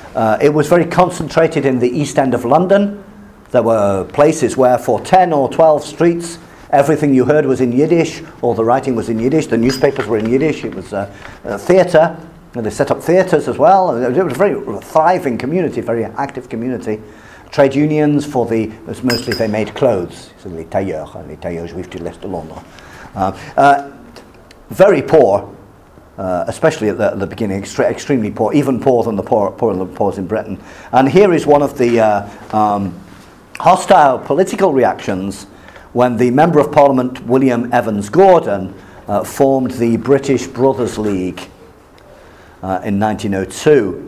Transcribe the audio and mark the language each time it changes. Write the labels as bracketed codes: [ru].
[en] It was very concentrated in the East End of London. There were places where for 10 or 12 streets, everything you heard was in Yiddish, or the writing was in Yiddish, the newspapers were in Yiddish, it was a theatre, and they set up theatres as well. It was a very thriving community, very active community. Trade unions for the, it's mostly they made clothes. [fr] So les tailleurs juifs du l'Est de Londres. [en] Very poor, especially at the beginning, extremely poor, even poorer than the poor in Britain. And here is one of the hostile political reactions when the Member of Parliament, William Evans Gordon, formed the British Brothers League in 1902.